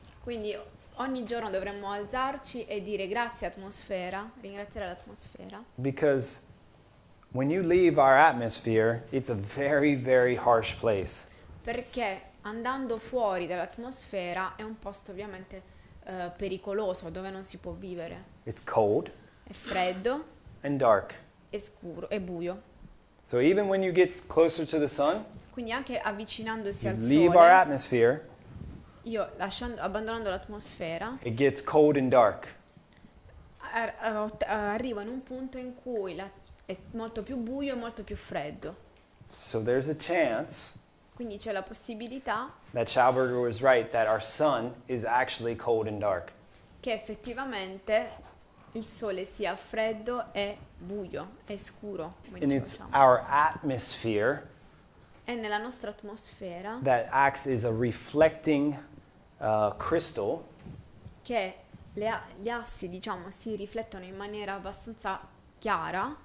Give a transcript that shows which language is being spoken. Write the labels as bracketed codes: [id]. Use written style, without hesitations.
[it] Quindi, ogni giorno dovremmo alzarci e dire grazie atmosfera, ringraziare l'atmosfera. [en] Because when you leave our atmosphere, it's a very, very harsh place. [it] Perché andando fuori dall'atmosfera è un posto ovviamente pericoloso dove non si può vivere. [en] It's cold. [it] È freddo. [en] And dark. [it] È scuro, è buio. [en] So even when you get closer to the sun. [it] Quindi anche avvicinandosi al sole. [en] Leave our atmosphere. [it] Io abbandonando l'atmosfera. [en] It gets cold and dark. [it] Arrivo in un punto in cui è molto più buio e molto più freddo. [en] So there's a chance. [it] Quindi c'è la possibilità [en] that Schauberger was right, that our sun is actually cold and dark. [it] Che effettivamente il sole sia freddo e buio, è scuro. [en] And it's our atmosphere. [it] È nella nostra atmosfera. [en] That acts as a reflecting crystal. [it] Che gli assi, diciamo, si riflettono in maniera abbastanza chiara.